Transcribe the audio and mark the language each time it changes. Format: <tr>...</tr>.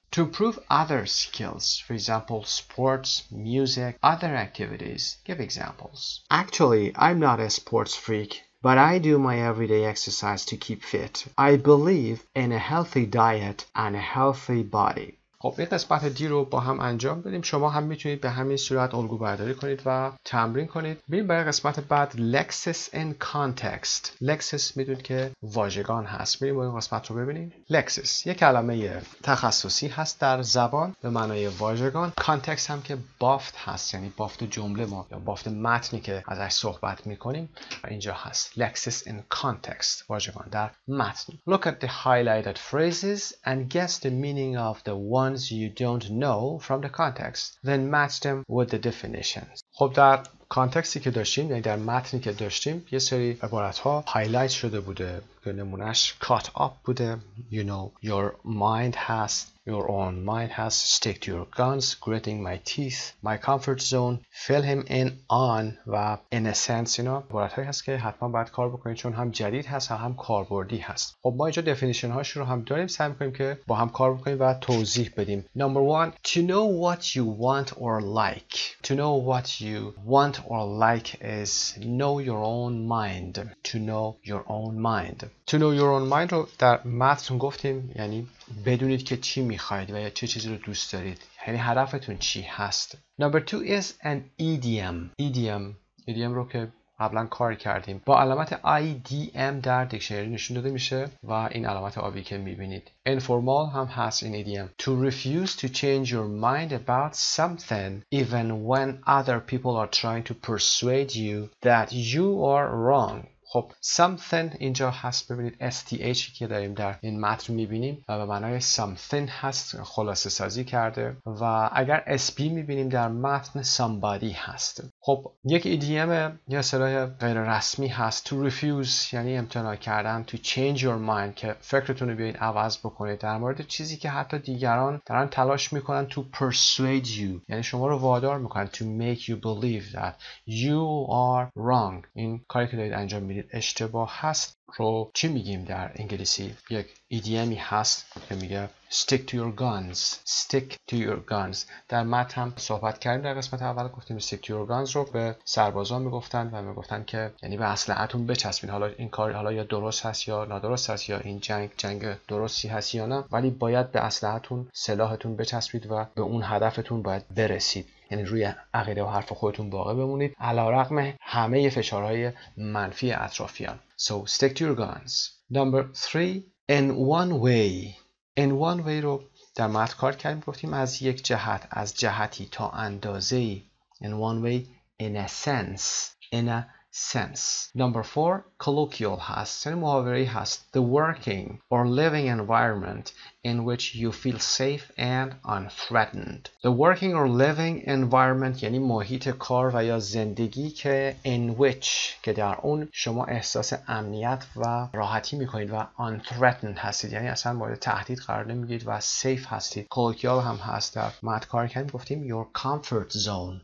<en>To improve other skills, for example, sports, music, other activities. Give examples. Actually, I'm not a sports freak. But I do my everyday exercise to keep fit. I believe in a healthy diet and a healthy body.</en> <fa>خب این قسمت دی رو با هم انجام بدیم. شما هم میتونید به همین صورت الگو برداری کنید و تمرین کنید. بریم برای قسمت بعد</fa> <en>Lexis in context.</en> <fa>Lexis میدونید که واژگان هست. بریم این قسمت رو ببینیم. Lexis یک کلمه تخصصی هست در زبان به معنای واژگان. Context هم که بافت هست، یعنی بافت جمله ما یا بافت متنی که ازش صحبت میکنیم اینجا هست.</fa> <en>Lexis in context،</en> <fa>واژگان در متن.</fa> <en>Look at the highlighted phrases and guess the meaning of the ones you don't know from the context, then match them with the definitions.</en> <fa>خب در کانتکستی که داشتیم، یعنی در متنی که داشتیم، یه سری عبارت‌ها هایلایت شده بوده که نمونش cut up بوده.</fa> <en>You know, your mind has, your own mind has, stick to your guns, gritting my teeth, my comfort zone, fill him in on و in a sense.</en> <fa>اینا عبارت‌هایی هست که حتما باید کار بکنید، چون هم جدید هست و هم کاربردی هست. خب ما اینجا دفینیشن هاش رو هم داریم، سعی می‌کنیم که با هم کار بکنیم و توضیح بدیم.</fa> <en>Number one, to know what you want or like. To know what you want or like is know your own mind. To know your own mind. To know your own mind</en> <fa>رو در متن گفتیم، یعنی بدونید که چی میخواید و یا چه چیزی رو دوست دارید، یعنی هدفتون چی هست.</fa> <en>Number two is an idiom. Idiom.</en> <fa>Idiom رو که قبلا کار کردیم با علامت IDM در دیکشنری نشون داده میشه و این علامت آبی که میبینید. Informal هم هست این idiom.</fa> <en>To refuse to change your mind about something even when other people are trying to persuade you that you are wrong.</en> <fa>خب something اینجا هست، ببینید STH که داریم در این متن میبینیم و به معنای something هست، خلاصه سازی کرده. و اگر SP میبینیم در متن somebody هست. خب یک ایدیم یا اصطلاح غیر رسمی هست. To refuse یعنی امتناع کردن.</fa> <en>To change your mind</en> <fa>که فکرتون رو بیاید عوض بکنید در مورد چیزی که حتی دیگران دارن تلاش میکنن.</fa> <en>To persuade you</en> <fa>یعنی شما رو وادار میکنن.</fa> <en>To make you believe that you are wrong.</en> <fa>این کاری که دارید انجام میدید اشتباه هست رو چی میگیم در انگلیسی؟ یک ایدیمی هست که میگه</fa> <en>stick to your guns. Stick to your guns.</en> <fa>در متن هم صحبت کردیم، در قسمت اول گفتیم</fa> <en>stick to your guns</en> <fa>رو به سربازان میگفتن و میگفتن که یعنی به اسلحه‌تون بچسبین. حالا این کار حالا یا درست هست یا نادرست هست، یا این جنگ درستی هست یا نه، ولی باید به اسلحه‌تون، سلاحتون بچسبید و به اون هدفتون باید برسید. یعنی روی عقیده و حرف خودتون باقی بمونید علی‌رغم همه فشارهای منفی اطرافیان.</fa> <en>So stick to your guns. Number 3, in one way. In one way</en> <fa>رو در متن کار کردیم، گفتیم از یک جهت، از جهتی، تا اندازه‌ای.</fa> <en>In one way, in a sense. In a sense.</en> <fa>Number 4, colloquial هست، یعنی محاوره‌ای هست.</fa> <en>The working or living environment in which you feel safe and unthreatened. The working or living environment</en> <fa>یعنی محیط کار و یا زندگی که in which که در اون شما احساس امنیت و راحتی میکنید و unthreatened هستید، یعنی اصلا مورد تهدید قرار نمیگید و safe هستید. colloquial هم هست در مد کار کردیم، گفتیم</fa> <en>your comfort zone.</en>